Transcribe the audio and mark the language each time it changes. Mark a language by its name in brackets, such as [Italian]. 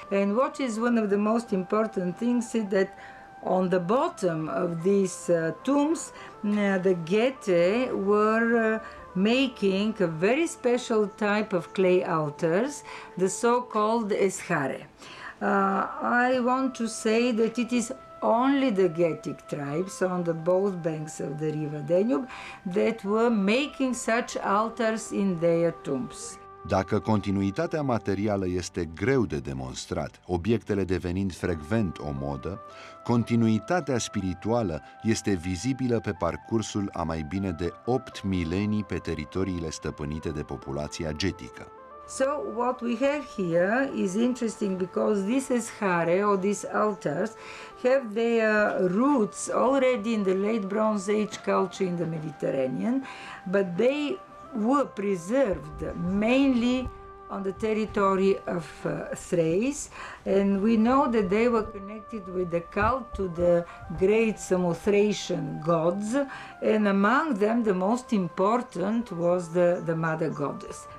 [English] And what is one of the most important things is that on the bottom of these tombs, the Getae were making a very special type of clay altars, the so-called eschare. I want to say that it is only the Getic tribes on the both banks of the river Danube that were making such altars in their tombs. [Romanian] Dacă continuitatea materială este greu de demonstrat, obiectele devenind frecvent o modă, continuitatea spirituală este vizibilă pe parcursul a mai bine de 8 milenii pe teritoriile stăpânite de populația getică. [English] So what we have here is interesting because this eschare or these altars have their roots already in the late Bronze Age culture in the Mediterranean, but they were preserved mainly on the territory of Thrace, and we know that they were connected with the cult to the great Samothracian gods, and among them the most important was the mother goddess.